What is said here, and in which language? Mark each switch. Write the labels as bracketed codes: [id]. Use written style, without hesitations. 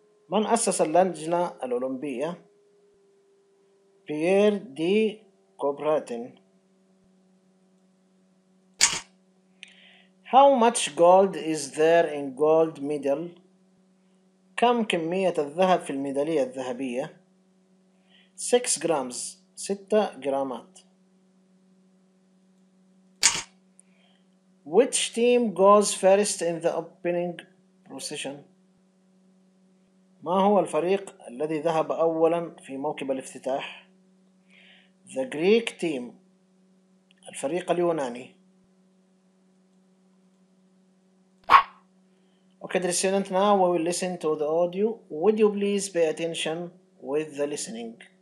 [ar] من أسس اللجنة الأولمبية؟ بيير دي كوبراتين. [en] How much gold is there in gold medal? [ar] كم كمية الذهب في الميدالية الذهبية؟ [en] 6 grams، [ar] 6 جرامات. [en] Which team goes first in the opening procession? [ar] ما هو الفريق الذي ذهب أولا في موكب الافتتاح؟ [en] The Greek team، [ar] الفريق اليوناني. [en] Okay, dear student, now we will listen to the audio. Would you please pay attention with the listening?